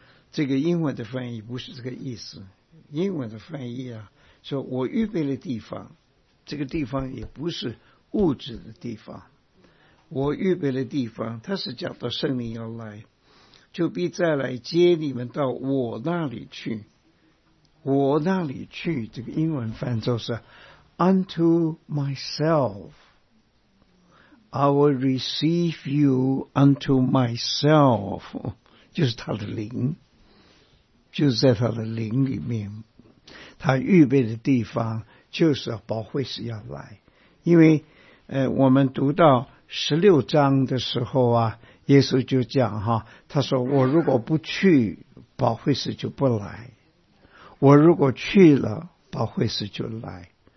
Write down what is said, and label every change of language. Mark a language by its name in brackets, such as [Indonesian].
[Chinese] 这个英文的翻译不是这个意思，英文的翻译啊，说我预备了地方，这个地方也不是物质的地方，我预备了地方，他是讲到圣灵要来，就必再来接你们到我那里去。我那里去，这个英文翻作是 [English] Unto myself, I will receive you unto myself. [Chinese] 就是他的灵，就是在他的灵里面，他预备的地方就是宝惠师要来。因为我们读到十六章的时候啊，耶稣就讲哈，他说我如果不去，宝惠师就不来，我如果去了，宝惠师就来。